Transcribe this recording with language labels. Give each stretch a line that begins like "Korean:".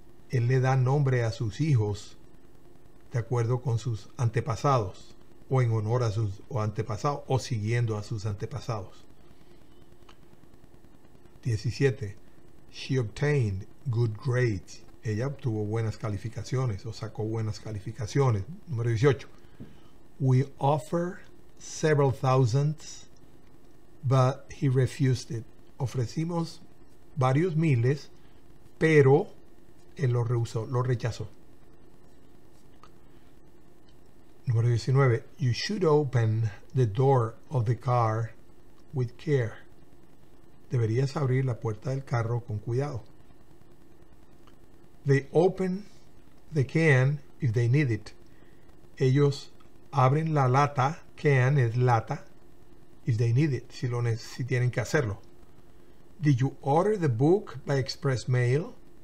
Spanish: Él le da nombre a sus hijos de acuerdo con sus antepasados, o en honor a sus antepasados, o siguiendo a sus antepasados.
English: 17. She obtained good grades.
Spanish: Ella obtuvo buenas calificaciones, o sacó buenas calificaciones. Número 18.
English: We offer several thousands, but he refused it.
Spanish: Ofrecimos varios miles, pero él lo rehusó, lo rechazó. Número 19.
English: You should open the door of the car with care.
Spanish: Deberías abrir la puerta del carro con cuidado.
English: They open the can if they need it.
Spanish: Ellos abren la lata, can es lata,
English: if they need it,
Spanish: si tienen que hacerlo.
English: Did you order the book by express mail?